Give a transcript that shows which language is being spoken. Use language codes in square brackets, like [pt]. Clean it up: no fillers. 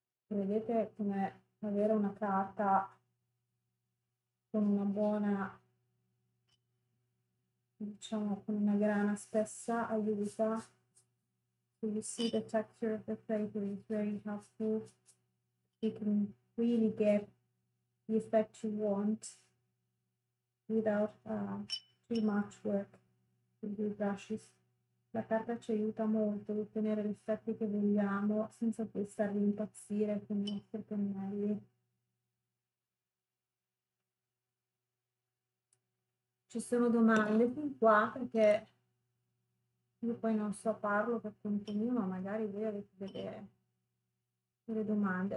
[it] Vedete come avere una carta con una buona, diciamo, con una grana spessa aiuta. [en] So you see the texture of the paper is very helpful. You can really get the effect you want without too much work with your brushes. [it] La carta ci aiuta molto ad ottenere gli effetti che vogliamo senza poi stare a impazzire con i nostri pennelli. Ci sono domande fin qua perché io poi non so, parlo per conto mio, ma magari voi avete delle domande.